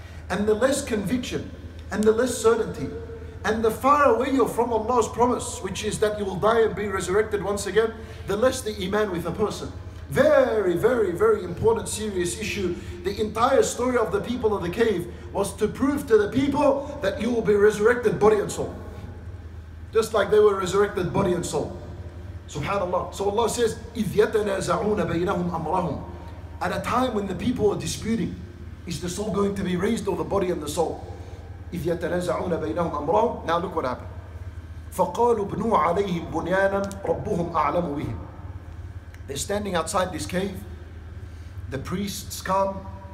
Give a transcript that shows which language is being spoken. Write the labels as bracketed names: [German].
[English] And the less conviction and the less certainty and the far away you're from Allah's promise, which is that you will die and be resurrected once again, the less the iman with a person. Very, very, very important, serious issue. The entire story of the people of the cave was to prove to the people that you will be resurrected body and soul. Just like they were resurrected body and soul. Subhanallah. So Allah says, [Arabic] إِذْ يَتَنَازَعُونَ بَيْنَهُمْ أَمْرَهُمْ. [English] At a time when the people were disputing, is the soul going to be raised or the body and the soul? [Arabic] إِذْ يَتَنَازَعُونَ بَيْنَهُمْ أَمْرَهُمْ. [English] Now look what happened. [Arabic] فَقَالُوا بْنُوا عَلَيْهِمْ بُنْيَانًا رَبُّهُمْ أَعْلَمُ بِهِمْ. [English] They're standing outside this cave. The priests come.